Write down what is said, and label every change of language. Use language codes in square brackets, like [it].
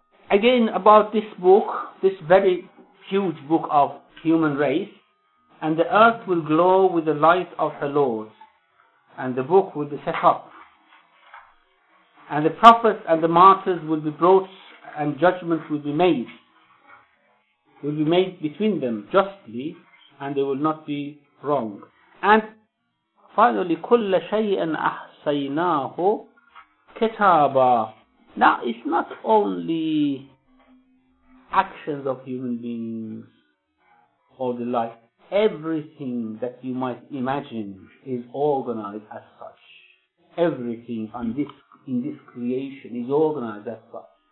[en] Again, about this book, this very huge book of human race, and the earth will glow with the light of her Lord, and the book will be set up. And the prophets and the martyrs will be brought, and judgments will be made. Will be made between them justly, and they will not be wrong. And finally, [ar] كل شيء أحصيناه كتابا. [en] Now, it's not only actions of human beings or the like. Everything that you might imagine is organized as such. Everything in this creation is organized as such.